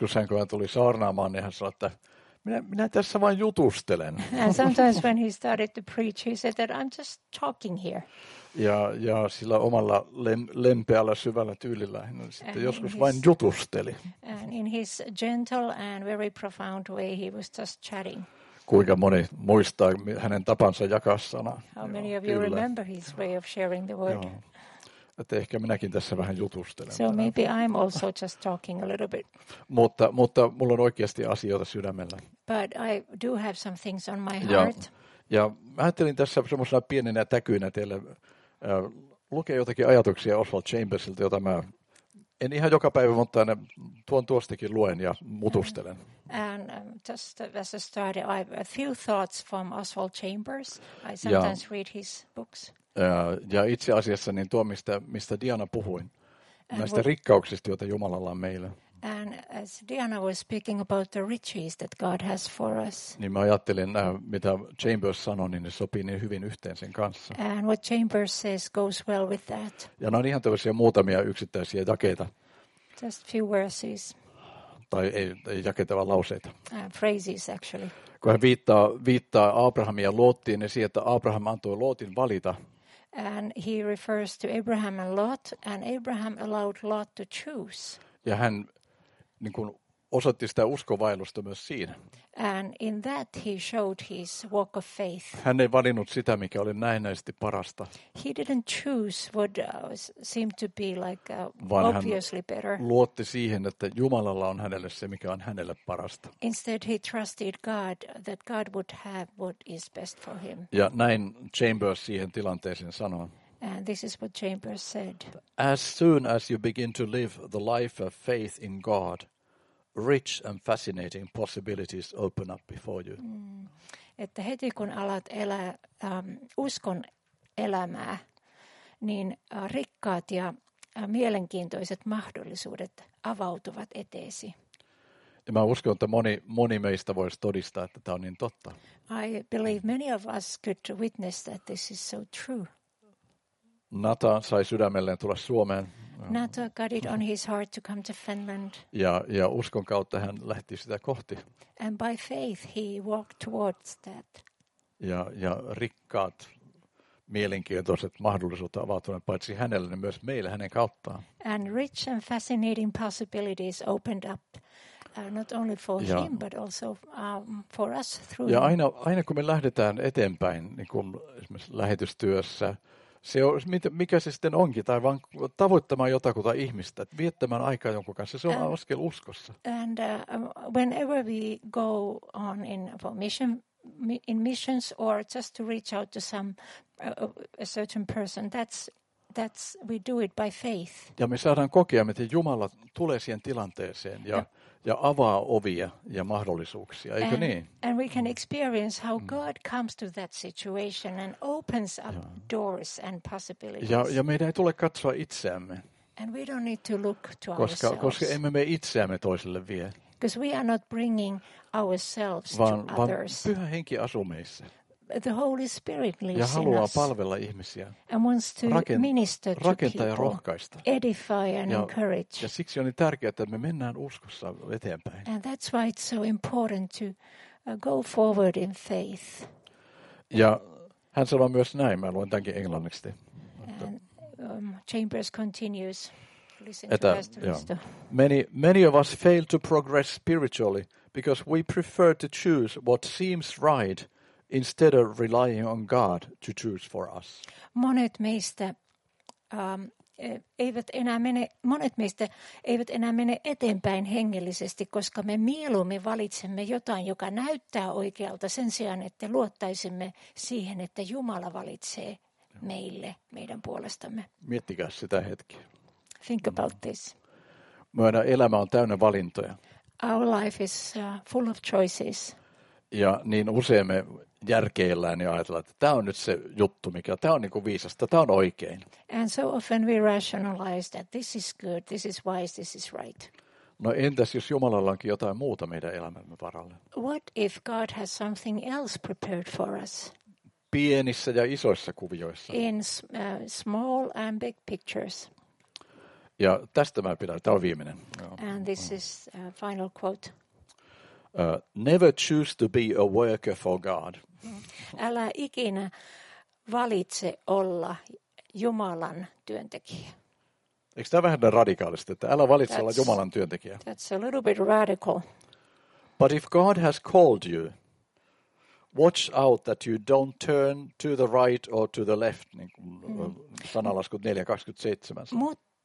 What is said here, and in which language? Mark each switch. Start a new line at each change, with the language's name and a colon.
Finnish: Usein kun hän tuli saarnaamaan, niin hän sanoi, että minä tässä vain jutustelen.
English: And sometimes when he started to preach, he said that I'm just talking here.
Finnish: Ja sillä omalla lempeällä syvällä tyylillä hän sitten joskus vain jutusteli.
English: And in his gentle and very profound way, he was just chatting.
Finnish: Kuinka moni muistaa hänen tapansa jakaa sanaa.
English: How many of you remember his way of sharing the word?
Finnish: Että ehkä minäkin tässä vähän jutustelen.
English: So maybe I'm also just talking a little bit.
Finnish: Mutta mulla on oikeasti asioita sydämellä.
English: But I do have some things on my heart. Ja mä ajattelin tässä semmoisena pienenä täkyinä teille lukea jotakin ajatuksia Oswald Chambersilta, jota mä en ihan joka päivä, mutta aina tuon tuostakin luen ja mutustelen. And just as a start, I have a few thoughts from Oswald Chambers. I sometimes read his books.
Finnish: Ja itse asiassa niin tuo, mistä Diana puhui, näistä rikkauksista, joita Jumalalla on meille.
English: And as Diana was speaking about the riches that God has for us.
Finnish: Niin mä ajattelin, mitä Chambers sanoi, niin ne sopii niin hyvin yhteen sen kanssa.
English: And what Chambers says goes well with that.
Finnish: Ja ne on ihan tämmöisiä muutamia yksittäisiä jakeita.
English: Just few verses.
Finnish: Tai ei jakeita, vaan lauseita.
English: Phrases actually.
Finnish: Kun hän viittaa Abrahamia ja Lottiin, niin siihen, että Abraham antoi Lotin valita.
English: And he refers to Abraham and Lot, and Abraham allowed Lot to choose.
Finnish: Ja hän niin kuin osoitti sitä uskovaellusta myös siinä.
English: And in that he showed his walk of faith.
Finnish: Hän ei valinnut sitä, mikä oli näennäisesti parasta.
English: He didn't choose what seemed to be like obviously better.
Finnish: Vaan hän luotti siihen, että Jumalalla on hänelle se, mikä on hänelle parasta.
English: Instead he trusted God that God would have what is best for him.
Finnish: Ja näin Chambers siihen tilanteeseen sanoi.
English: And this is what Chambers said. As soon as you begin to live the life of faith in God, rich and fascinating possibilities open up before you.
Finnish: Että heti kun alat elää uskon elämää, niin rikkaat ja mielenkiintoiset mahdollisuudet avautuvat eteesi. Ja mä uskon, että moni meistä voisi todistaa, että tämä on niin totta.
English: I believe many of us could witness that this is so true.
Finnish: Nata sai sydämelleen tulla Suomeen.
English: Nata got it on his heart to come to Finland.
Finnish: Ja uskon kautta hän lähti sitä kohti.
English: And by faith he walked towards that.
Finnish: Ja rikkaat, mielenkiintoiset mahdollisuudet avautuneet paitsi hänelle, niin myös meille hänen kauttaan.
English: And rich and fascinating possibilities opened up, not only for him, but also for us through.
Finnish: Ja aina kun me lähdetään eteenpäin, niin kuin esimerkiksi lähetystyössä, se on, mikä se sitten onkin, tai vaan tavoittamaan jotakuta ihmistä, viettämään aikaa jonkun kanssa, se on askel uskossa.
English: And whenever we go on in missions or just to reach out to some a certain person, that's we do it by faith.
Finnish: Ja me saadaan kokea, miten Jumala tulee siihen tilanteeseen ja avaa ovia ja mahdollisuuksia, eikö
English: and,
Finnish: niin?
English: And we can experience how God comes to that situation and opens up doors and possibilities.
Finnish: Ja meidän ei tule katsoa itseämme.
English: And we don't need to look to ourselves.
Finnish: Koska emme me itseämme toiselle vie.
English: Because we are not bringing ourselves to others.
Finnish: Vaan Pyhä Henki asuu meissä.
English: The Holy Spirit lives in us.
Finnish: Ja haluaa palvella ihmisiä.
English: And wants to minister to people.
Finnish: Rakentaa ja rohkaista.
English: Edify and encourage.
Finnish: Ja siksi on niin tärkeää, että me mennään uskossa eteenpäin.
English: And that's why it's so important to go forward in faith.
Finnish: Ja hän sanoo myös näin, mä luen tämänkin englanniksi.
English: Chambers continues. Listen to Pastor Risto. Many of us fail to progress spiritually because we prefer to choose what seems right instead of relying on God to choose for us.
Finnish: Monet meistä eivät enää mene eteenpäin hengellisesti, koska me mieluummin valitsemme jotain, joka näyttää oikealta sen sijaan, että luottaisimme siihen, että Jumala valitsee meille meidän puolestamme. Miettikää sitä hetkeä.
English: Think about this.
Finnish: Meidän elämä on täynnä valintoja.
English: Our life is full of choices.
Finnish: Ja niin usein me järkeillään ja ajatellaan, että tämä on nyt se juttu, mikä tämä on niin kuin viisasta, tämä on oikein.
English: And so often we rationalize that this is good, this is wise, this is right.
Finnish: No entäs jos Jumalalla onkin jotain muuta meidän elämämme varalle?
English: What if God has something else prepared for us?
Finnish: Pienissä ja isoissa kuvioissa.
English: In small and big pictures.
Finnish: Ja tästä mä pidän, tämä on viimeinen.
English: And this is a final quote. Never choose to be a worker for God.
Finnish: Älä ikinä valitse olla Jumalan työntekijä. Eikö tämä vähän radikaalista, että älä valitse olla Jumalan työntekijä?
English: That's a little bit radical. But if God has called you, watch out that you don't turn to the right or to the left,
Finnish: niin kuin sanalaskut 4.27.